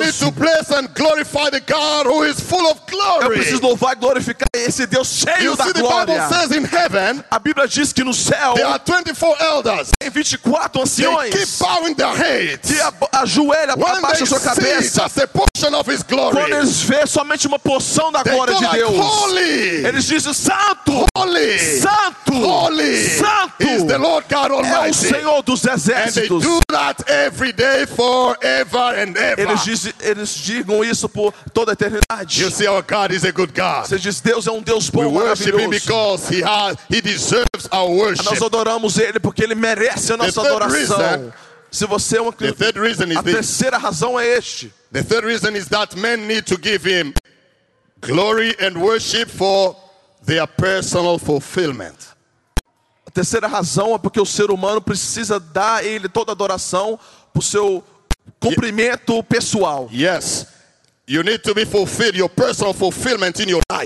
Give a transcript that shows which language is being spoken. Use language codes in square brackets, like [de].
[en] I need to bless and glorify the God who is full of glory. [pt] Eu preciso louvar e glorificar esse Deus cheio da glória. [en] The Bible says in heaven, [pt] a Bíblia diz que no céu, [en] there are 24 elders. [pt] Tem 24 anciões. [en] They keep bowing their heads. [pt] Que ajoelha para baixo sua cabeça. [en] Just a portion of His glory. [pt] Quando eles veem somente uma porção da glória de Deus. [en] Like, holy. [pt] Eles dizem santo. [en] Holy. [pt] Santo. [en] Holy. [pt] Santo. [en] Is the Lord God Almighty. [pt] É o Senhor dos exércitos. [en] And they do that every day, forever and ever. [pt] Eles digam isso por toda a eternidade. [en] You see, our God is a good God. [pt] Você diz, Deus é um Deus bom, [en] we worship Him because He deserves our worship. [pt] Nós adoramos Ele porque Ele merece a nossa adoração. Se você é um [en] cristão, the third reason is [pt] a terceira razão é este. [en] The third reason is that men need to give Him glory and worship for their personal fulfillment. [pt] A terceira razão é porque o ser humano precisa dar a ele toda adoração para o seu cumprimento pessoal. [en] Yes, you need to be fulfilled, your personal fulfillment in your life.